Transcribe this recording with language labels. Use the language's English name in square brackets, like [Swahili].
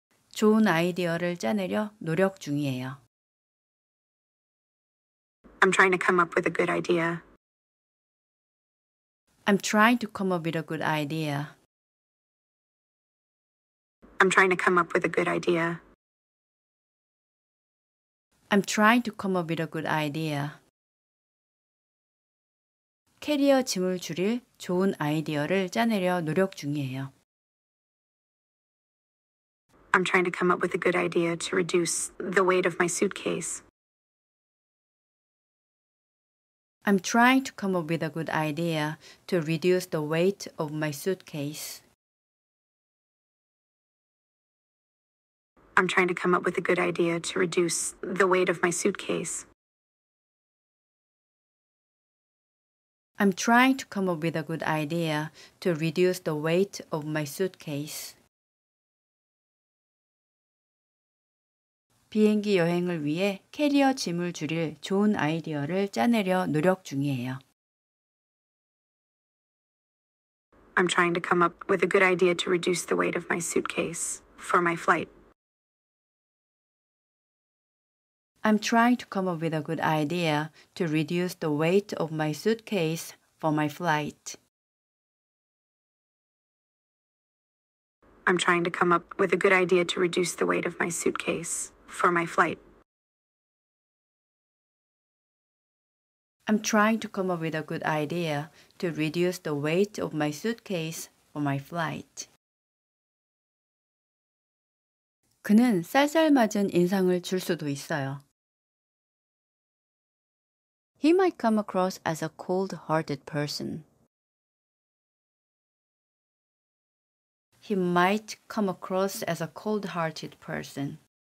[Korean] 좋은 아이디어를 짜내려 노력 중이에요. [English] I'm trying to come up with a good idea. I'm trying to come up with a good idea. I'm trying to come up with a good idea. I'm trying to come up with a good idea. [Korean] 캐리어 짐을 줄일 좋은 아이디어를 짜내려 노력 중이에요. [English] I'm trying to come up with a good idea to reduce the weight of my suitcase. I'm trying to come up with a good idea to reduce the weight of my suitcase. I'm trying to come up with a good idea to reduce the weight of my suitcase. I'm trying to come up with a good idea to reduce the weight of my suitcase. [Korean] 비행기 여행을 위해 캐리어 짐을 줄일 좋은 아이디어를 짜내려 노력 중이에요. [English] I'm trying to come up with a good idea to reduce the weight of my suitcase for my flight. I'm trying to come up with a good idea to reduce the weight of my suitcase for my flight. I'm trying to come up with a good idea to reduce the weight of my suitcase. For my flight. I'm trying to come up with a good idea to reduce the weight of my suitcase for my flight. [Korean] 그는 쌀쌀맞은 인상을 줄 수도 있어요. [English] He might come across as a cold-hearted person. He might come across as a cold-hearted person.